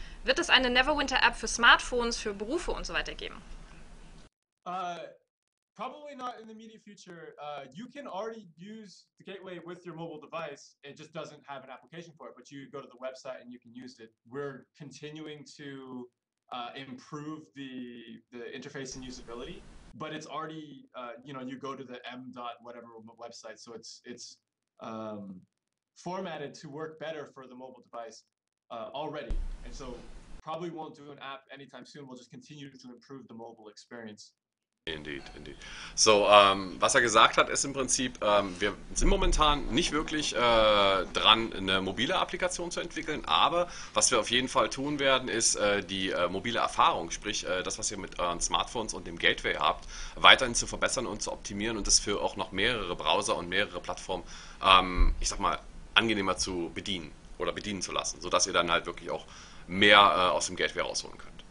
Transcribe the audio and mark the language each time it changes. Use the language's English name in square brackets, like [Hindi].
[German] Wird es eine Neverwinter app für Smartphones, für Berufe und so weiter geben? [English] Probably not in the immediate future. You can already use the gateway with your mobile device. It just doesn't have an application for it, but you go to the website and you can use it. We're continuing to improve the interface and usability, but it's already you go to the m dot whatever website, so it's formatted to work better for the mobile device already, and so probably won't do an app anytime soon. We'll just continue to improve the mobile experience. Indeed, indeed. [German] So, was er gesagt hat, ist im Prinzip, wir sind momentan nicht wirklich dran, eine mobile Applikation zu entwickeln, aber was wir auf jeden Fall tun werden, ist die mobile Erfahrung, sprich das, was ihr mit euren Smartphones und dem Gateway habt, weiterhin zu verbessern und zu optimieren und das für auch noch mehrere Browser und mehrere Plattformen, ich sag mal, angenehmer zu bedienen oder bedienen zu lassen, sodass ihr dann halt wirklich auch mehr aus dem Gateway rausholen könnt.